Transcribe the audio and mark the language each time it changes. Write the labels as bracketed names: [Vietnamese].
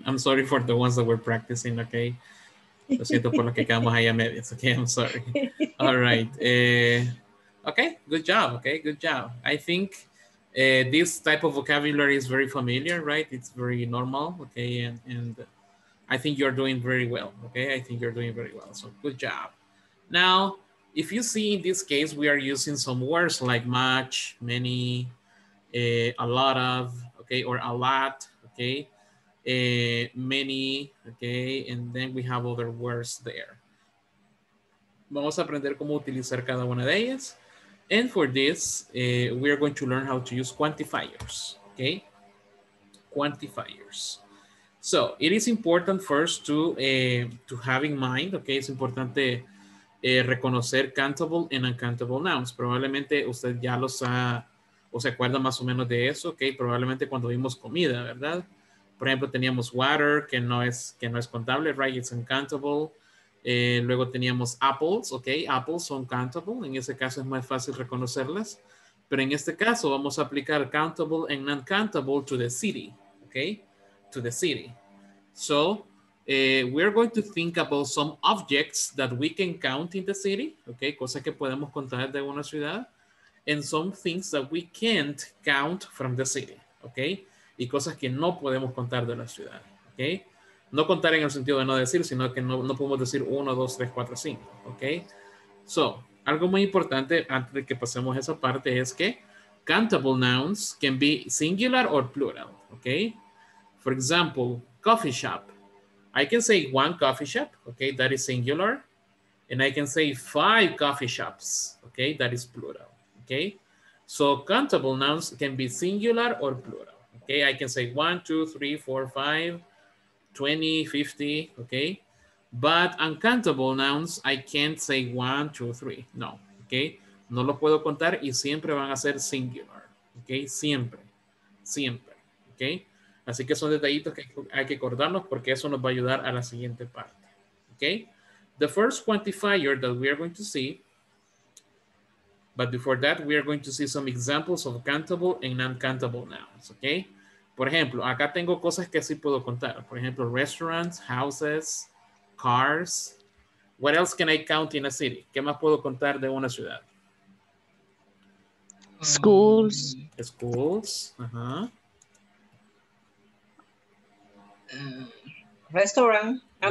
[English] I'm sorry for the ones that were practicing, okay? [Spanish] Lo siento por lo que quedamos ahí a medias, okay? [English] I'm sorry. All right. Okay, good job, okay? Good job. I think this type of vocabulary is very familiar, right? It's very normal, okay? And I think you're doing very well, okay? I think you're doing very well. So good job. Now, if you see in this case, we are using some words like much, many, a lot of, okay? Or a lot, okay? Many, okay, and then we have other words there. [Spanish] Vamos a aprender cómo utilizar cada una de ellas. [English] And for this, we are going to learn how to use quantifiers, okay? Quantifiers. So it is important first to have in mind, okay? [Spanish] Es importante reconocer [English] countable and uncountable nouns. [Spanish] Probablemente usted ya los ha, o se acuerda más o menos de eso, okay? Probablemente cuando vimos comida, ¿verdad? Por ejemplo, teníamos water, que no es contable, right? [English] It's uncountable. Luego teníamos apples, okay? [Spanish] Apples son countable. En ese caso es más fácil reconocerlas. Pero en este caso vamos a aplicar [English] countable and uncountable to the city, okay? To the city. So, we're going to think about some objects that we can count in the city, okay? [Spanish] Cosas que podemos contar de una ciudad. [English] And some things that we can't count from the city, okay? [Spanish] Y cosas que no podemos contar de la ciudad, ¿ok? No contar en el sentido de no decir, sino que no podemos decir 1, 2, 3, 4, 5, ¿ok? So, algo muy importante antes de que pasemos a esa parte es que [English] countable nouns can be singular or plural, [Spanish] ¿ok? [English] For example, coffee shop. I can say one coffee shop, ¿ok? That is singular. And I can say five coffee shops, ¿ok? That is plural, ¿ok? So, countable nouns can be singular or plural. Okay, I can say 1, 2, 3, 4, 5, 20, 50, okay? But uncountable nouns, I can't say 1, 2, 3, no, okay? [Spanish] No lo puedo contar y siempre van a ser singular, okay? Siempre, siempre, okay? Así que son detallitos que hay que acordarnos porque eso nos va a ayudar a la siguiente parte, okay? [English] The first quantifier that we are going to see, but before that, we are going to see some examples of countable and uncountable nouns, okay? [Spanish] Por ejemplo, acá tengo cosas que sí puedo contar. [English] Por ejemplo, restaurants, houses, cars. What else can I count in a city? [Spanish] ¿Qué más puedo contar de una ciudad? [English] Schools. Schools. Uh-huh. Restaurant. Ah,